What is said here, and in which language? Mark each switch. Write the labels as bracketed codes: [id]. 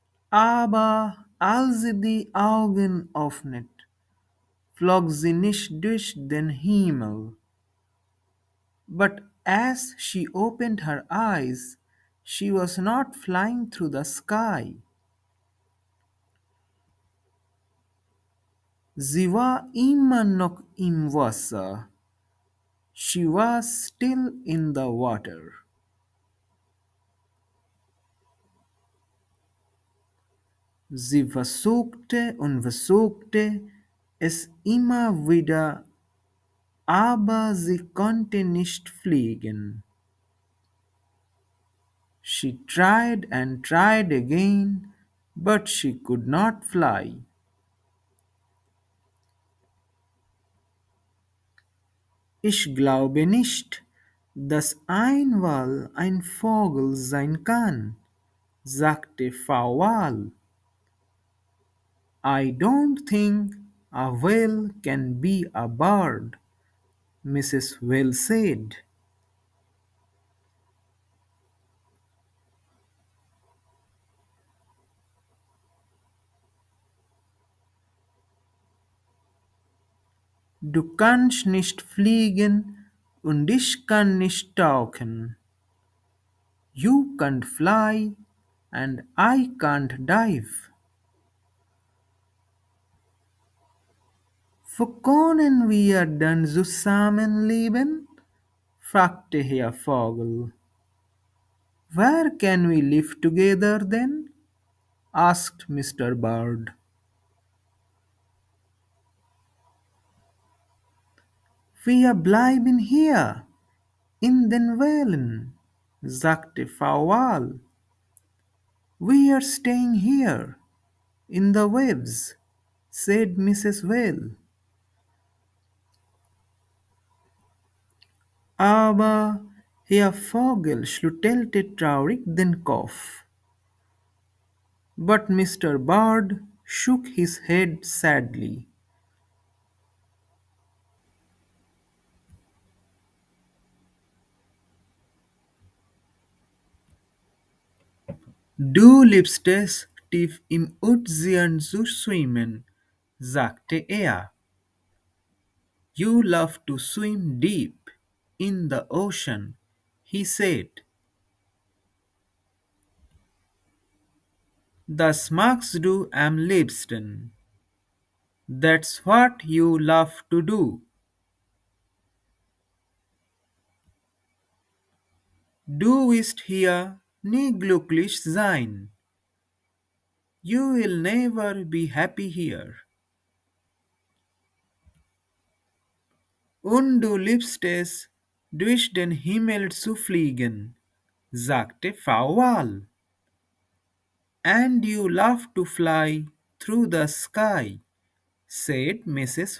[de] Aber als sie die Augen öffnet, flog sie nicht durch den Himmel. [en] But as she opened her eyes, she was not flying through the sky. [de] Sie war immer noch im Wasser. [en] She was still in the water. [de] Sie versuchte und versuchte es immer wieder, aber sie konnte nicht fliegen. [en] She tried and tried again, but she could not fly. [de] Ich glaube nicht, dass ein Wal ein Vogel sein kann, sagte Frau Wal. [en] I don't think a whale can be a bird, Mrs. Whale said. [de] Du kannst nicht fliegen und ich kann nicht tauchen. [en] You can't fly and I can't dive. [de] Wo können wir dann zusammenleben? Fragte Herr Vogel. [en] Where can we live together then? Asked Mr. Bird. [de] Wir bleiben hier, in den Wellen, sagte Frau Wal. [en] We are staying here, in the waves, said Mrs. Whale. [de] Aber Herr Vogel schluttelte traurig den Kopf. [en] But Mr. Bird shook his head sadly. [de] Du liebst es, tief im Ozean zu schwimmen, sagte er. [en] You love to swim deep in the ocean, he said. [de] Das magst du am liebsten. [en] That's what you love to do. [de] Du wirst hier nie glücklich sein. [en] You will never be happy here. [de] Und du liebst es, durch den Himmel zu fliegen, sagte Frau Wal. [en] And you love to fly through the sky, said Mrs.